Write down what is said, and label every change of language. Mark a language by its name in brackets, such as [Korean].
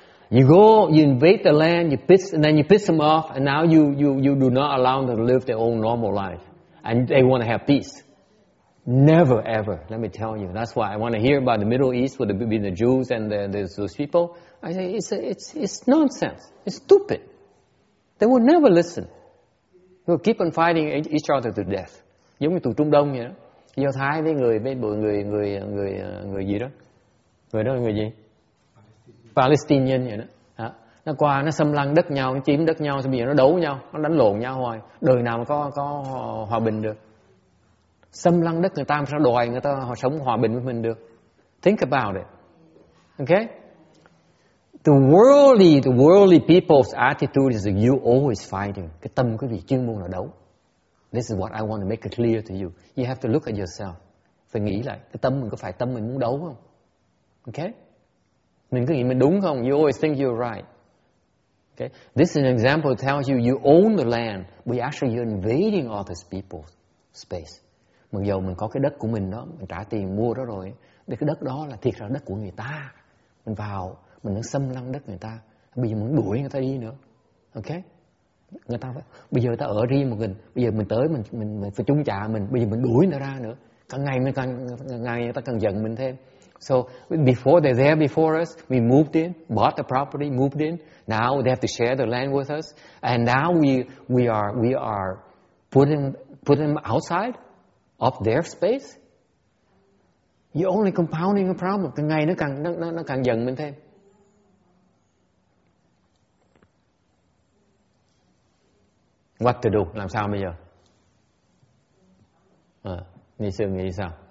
[English] You go, you invade the land, you piss, and then you piss them off, and now you do not allow them to live their own normal life, and they want to have peace. Never ever. Let me tell you. That's why I want to hear about the Middle East with the Jews and those people. I say it's nonsense. It's stupid. They will never listen. They will keep on fighting each other to death. [Vietnamese] Giống như tù Trung Đông vậy đó. Do Thái với người gì đó. Người đó là người gì? Palestinian vậy đó. Hả? Nó qua nó xâm lăng đất nhau, nó chiếm đất nhau, xong bây giờ nó đấu nhau, nó đánh lộn nhau hoài. Đời nào mà có hòa bình được? Xâm lăng đất người ta mà sao đòi người ta họ sống hòa bình với mình được? [English] Think about it. Okay? The worldly people's attitude is that you always fighting. [Vietnamese] Cái tâm quý vị chuyên môn là đấu. [English] This is what I want to make it clear to you. You have to look at yourself. [Vietnamese] Phải nghĩ lại, cái tâm mình có phải tâm mình muốn đấu không? Okay? Mình cứ nghĩ mình đúng không? [English] You always think you're right. Okay? This is an example that tells you you own the land. But actually you're invading all these people's space. [Vietnamese] Mặc dù mình có cái đất của mình đó, mình trả tiền mua đó rồi, thì cái đất đó là thiệt ra đất của người ta. Mình vào, mình đang xâm lăng đất người ta. Bây giờ muốn đuổi người ta đi nữa. Ok? Người ta phải, bây giờ ta ở riêng một mình. Bây giờ mình tới, mình phải chung trả mình. Bây giờ mình đuổi người ta ra nữa. Càng ngày người ta càng giận mình thêm. [English] So, before they're there before us, we moved in, bought the property, moved in. Now they have to share the land with us. And now we are putting them outside of their space. You're only compounding a problem. [Vietnamese] Càng ngày nó càng giận mình thêm. [English] What to do? [Vietnamese] Làm sao bây giờ? Ni sư nghĩ sao?